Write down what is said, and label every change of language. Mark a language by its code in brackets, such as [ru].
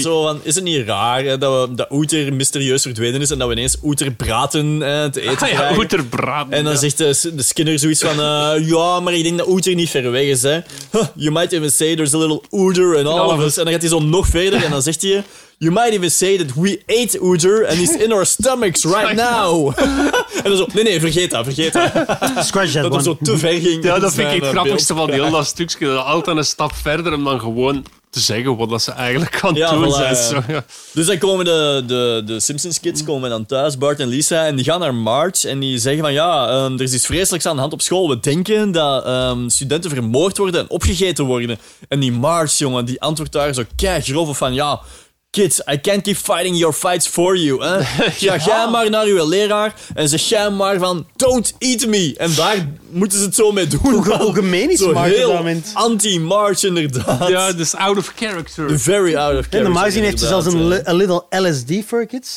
[nl] Zo van, is het niet raar hè, dat outer mysterieus verdwenen is en dat we ineens outer braten te eten krijgen? Ja, outer braten. En dan zegt de Skinner zoiets van, ja, maar ik denk dat outer niet ver weg is. Hè. [en] Huh, you might even say there's a little outer in all of us. En dan gaat hij zo nog verder en dan zegt hij... You might even say that we ate Uther and he's in our stomachs right now. [nl] En dan zo, nee, vergeet dat. [en] Squash that dat one. [nl] Zo te ver ging. Ja, dat vind ik het grappigste van die hele stukje. Dat altijd een stap verder om dan gewoon te zeggen wat ze eigenlijk aan het doen zijn. Zo, ja. Dus dan komen de Simpsons kids komen dan thuis, Bart en Lisa, en die gaan naar Marge en die zeggen van ja, er is iets vreselijks aan de hand op school. We denken dat studenten vermoord worden en opgegeten worden. En die Marge, jongen, die antwoordt daar zo kei grof van ja... [en] Kids, I can't keep fighting your fights for you. [nl] Hè? Ja, ga jij maar naar uw leraar en zeg jij maar van don't eat me. En daar moeten ze het zo mee doen. Algemeen is Marge heel anti-Marge inderdaad. [en] Ja, dus out of character. Very out of character. [nl] En de magazine heeft zelfs een a little LSD for kids.